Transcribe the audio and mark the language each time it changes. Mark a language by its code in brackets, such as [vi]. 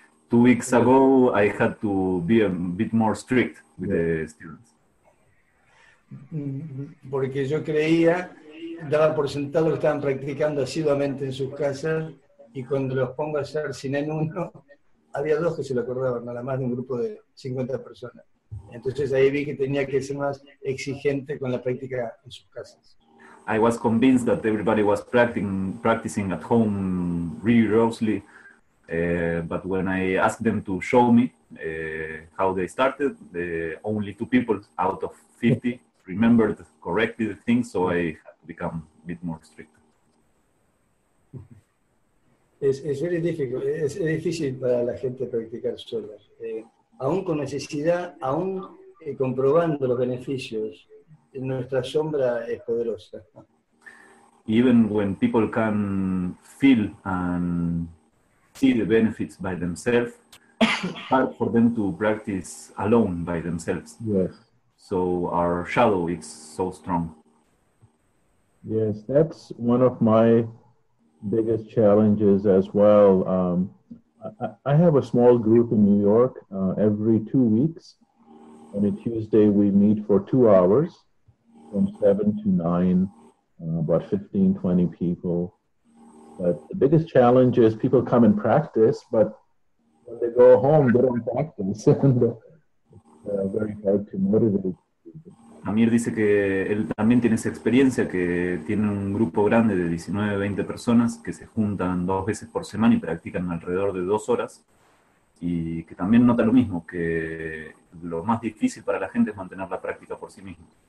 [en] 2 weeks ago, I had to be a bit more strict with the students. [es] Porque yo creía, daba por sentado que estaban practicando asiduamente en sus casas, y cuando los pongo a hacer sin en uno, había dos que se lo acordaban, nada más de un grupo de 50 personas. Entonces ahí vi que tenía que ser más exigente con la práctica en sus casas. [en] I was convinced that everybody was practicing at home rigorously, but when I asked them to show me how they started, only 2 people out of 50 remembered correctly the things, so I had to become a bit more strict. It's very difficult. It's [es] difícil para la gente practicar sola. Aún con necesidad, aún comprobando los beneficios, nuestra sombra es poderosa. [en] Even when people can feel and see the benefits by themselves, it's hard for them to practice alone by themselves. Yes. So our shadow is so strong. Yes, that's one of my biggest challenges as well. I have a small group in New York every 2 weeks. On a Tuesday, we meet for 2 hours. From 7 to 9, about 15, 20 people. But the biggest challenge is people come and practice, but when they go home, they don't practice. And it's very hard to motivate. [es] Amir dice que él también tiene esa experiencia, que tiene un grupo grande de 19, 20 personas que se juntan 2 veces por semana y practican alrededor de 2 horas. Y que también nota lo mismo, que lo más difícil para la gente es mantener la práctica por sí mismo.